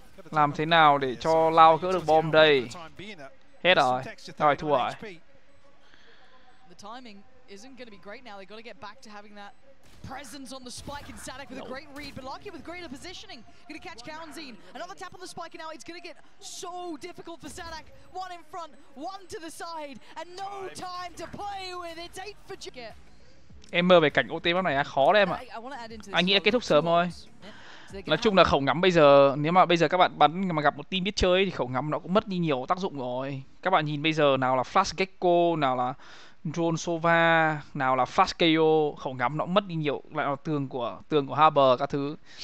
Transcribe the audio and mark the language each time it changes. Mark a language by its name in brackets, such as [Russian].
[Vietnamese] Làm thế nào để cho Lao gỡ được bom đây? Hết rồi. Rồi thua rồi. [English] The timing isn't going to be great now. They've got to get back to having that presence on the spike, and Static with a great read, but Lockie with greater positioning gonna catch Kaunzeen. Another tap on the spike, and now it's gonna get so difficult for Static. One in front, one to the side, and no time to play with. It's 8 for Jacket. [Vietnamese] Em mơ về cảnh OT map này khó đấy em ạ. Anh nghĩ là kết thúc sớm thôi. Nói chung là khẩu ngắm bây giờ, nếu mà bây giờ các bạn bắn mà gặp một team biết chơi thì khẩu ngắm nó cũng mất đi nhiều tác dụng rồi. Các bạn nhìn bây giờ, nào là Flash Gecko, nào là Drone Sova, nào là Fast KO, khẩu ngắm nó mất đi nhiều, lại là tường của Harbor các thứ.